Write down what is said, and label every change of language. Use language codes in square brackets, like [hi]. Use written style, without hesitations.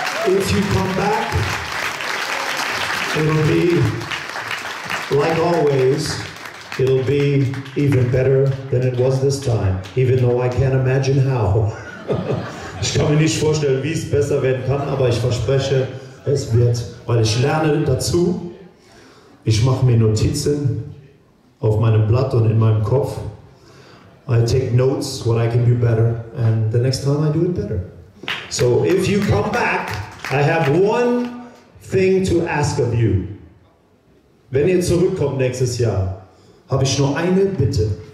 [en] If you come back, it'll be, like always, it'll be even better than it was this time, even though I can't imagine how. [de] Ich kann mir nicht vorstellen, wie es besser werden kann, aber ich verspreche, es wird, weil ich lerne dazu, ich mache mir Notizen, auf meinem Blatt und in meinem Kopf. [en] I take notes, what I can do better, and the next time I do it better. So if you come back, I have 1 thing to ask of you. [de] Wenn ihr zurückkommt nächstes Jahr, habe ich nur eine Bitte.